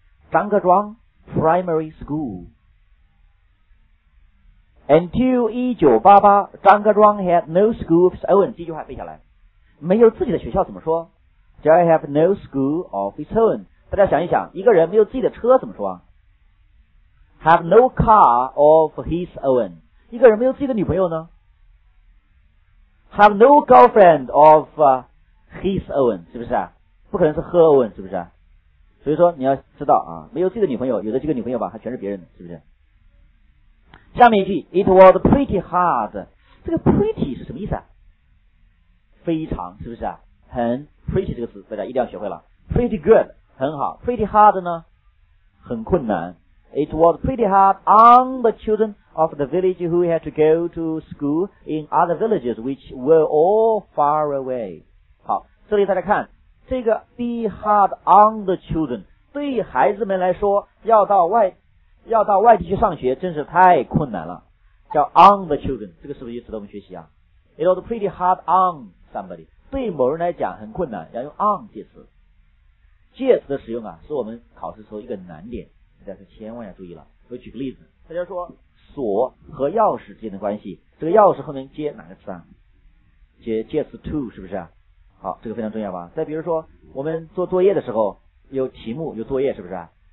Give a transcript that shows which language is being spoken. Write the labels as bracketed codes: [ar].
[en] 张各庄 primary school until 1988， 张各庄 had no school of his own。 [zh] 这句话背下来，没有自己的学校怎么说？ [en] I have no school of his own。 [zh] 大家想一想，一个人没有自己的车怎么说？ [en] have no car of his own。 [zh] 一个人没有自己的女朋友呢？ [en] have no girlfriend of his own， [zh] 是不是？不可能是 [en] her own， [zh] 是不是？所以说你要知道啊，没有自己的女朋友，有的这个女朋友吧还全是别人的，是不是？下面一句 [en] it was pretty hard， [zh] 这个 pretty 是什么意思啊？非常，是不是？很 pretty 这个词大家一定要学会了。 [en] pretty good [zh] 很好， [en] pretty hard [zh] 呢很困难。 [en] it was pretty hard on the childrenof the village who had to go to school in other villages which were all far away。 [zh] 好，这里大家看这个 [en] be hard on the children， [zh] 对孩子们来说要到外地去上学真是太困难了，叫 [en] on the children， [zh] 这个是不是值得我们学习啊？ [en] it was pretty hard on somebody， [zh] 对某人来讲很困难，要用 [en] on 介词。 [zh] 介词的使用啊是我们考试时候一个难点，大家千万要注意了。我举个例子，大家说锁和钥匙之间的关系，这个钥匙后面接哪个词啊？接词 to 是不是啊？好，这个非常重要吧。再比如说我们做作业的时候有题目有作业是不是啊？